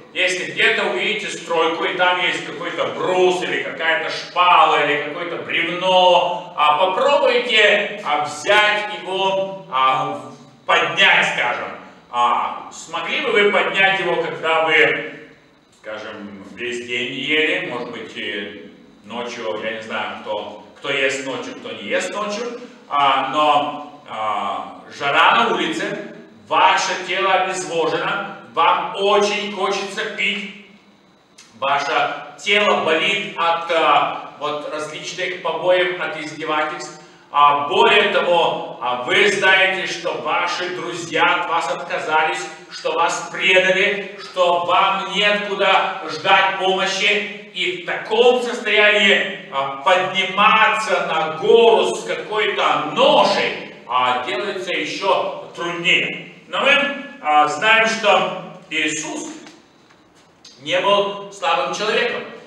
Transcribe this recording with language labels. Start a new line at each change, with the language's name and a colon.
Russian: Если где-то увидите стройку, и там есть какой-то брус, или какая-то шпала, или какое-то бревно, попробуйте взять его, поднять, скажем. Смогли бы вы поднять его, когда вы... скажем, весь день ели, может быть, и ночью, я не знаю, кто,
Ukrainian: хто є ночю, хто не є ночю. Но жара на вулиці, ваше тіло обезвожено, вам дуже хочеться пити, ваше тіло болить від различних побоїв, від іздевательств.
Russian: Более того,
Ukrainian: ви знаєте, що ваші друзі від вас відказались, що вас предали, що вам нікуди чекати допомоги.
Russian: И в таком состоянии подниматься на гору с какой-то ношей делается еще труднее. Но мы знаем, что Иисус не был слабым человеком.